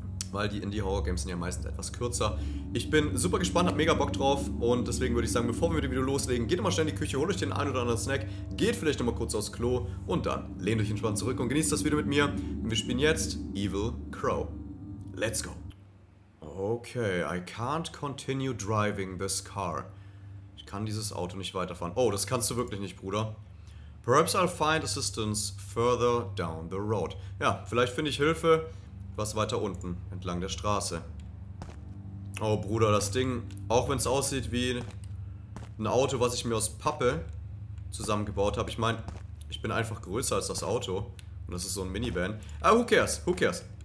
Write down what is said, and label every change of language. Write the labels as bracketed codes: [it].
[de] Weil die Indie-Horror-Games sind ja meistens etwas kürzer. Ich bin super gespannt, hab mega Bock drauf. Und deswegen würde ich sagen, bevor wir mit dem Video loslegen, geht mal schnell in die Küche, holt euch den ein oder anderen Snack. Geht vielleicht nochmal kurz aufs Klo. Und dann lehnt euch entspannt zurück und genießt das Video mit mir. Und wir spielen jetzt Evil Crow. [en] Let's go. Okay, I can't continue driving this car. [de] Ich kann dieses Auto nicht weiterfahren. Oh, das kannst du wirklich nicht, Bruder. [en] Perhaps I'll find assistance further down the road. [de] Ja, vielleicht finde ich Hilfe was weiter unten, entlang der Straße. Oh, Bruder, das Ding, auch wenn es aussieht wie ein Auto, was ich mir aus Pappe zusammengebaut habe. Ich meine, ich bin einfach größer als das Auto. Und das ist so ein Minivan. [en] Ah, who cares? Who cares?